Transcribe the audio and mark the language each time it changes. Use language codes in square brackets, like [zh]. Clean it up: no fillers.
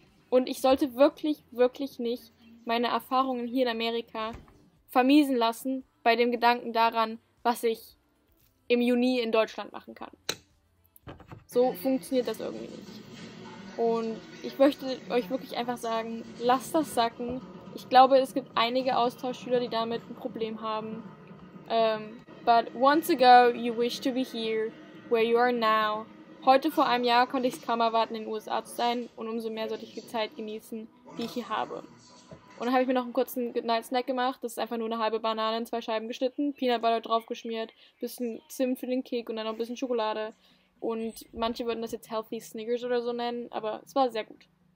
[de] Und ich sollte wirklich, wirklich nicht meine Erfahrungen hier in Amerika vermiesen lassen bei dem Gedanken daran, was ich im Juni in Deutschland machen kann. So funktioniert das irgendwie nicht. Und ich möchte euch wirklich einfach sagen, lasst das sacken. Ich glaube, es gibt einige Austauschschüler, die damit ein Problem haben. [en] But once ago, you wish to be here, where you are now. [de] Heute vor einem Jahr konnte ich es kaum erwarten, in den USA zu sein. Und umso mehr sollte ich die Zeit genießen, die ich hier habe. Und dann habe ich mir noch einen kurzen Good Night Snack gemacht. Das ist einfach nur eine halbe Banane in zwei Scheiben geschnitten, Peanut Butter draufgeschmiert, bisschen Zimt für den Kick und dann noch ein bisschen Schokolade. Und manche würden das jetzt Healthy Snickers oder so nennen, aber es war sehr gut.